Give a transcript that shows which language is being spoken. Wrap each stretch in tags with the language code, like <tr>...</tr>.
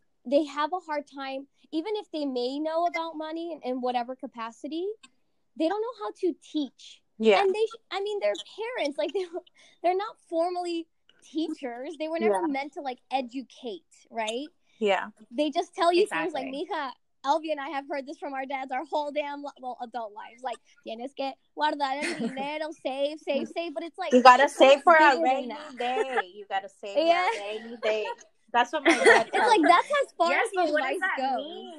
<en>they have a hard time, even if they may know about money in whatever capacity, they don't know how to teach. Yeah. And they, I mean, their parents, like, they're not formally teachers. They were never meant to, like, educate, right? Yeah. They just tell you things like, mija, Elvie and I have heard this from our dads our whole damn, adult lives.</en> <es>Like, tienes que guardar el dinero,</es> <en>save. But it's like, you gotta save for a rainy day. You gotta save for a rainy day. That's what my dad It's like, that's as far as your life goes.</en>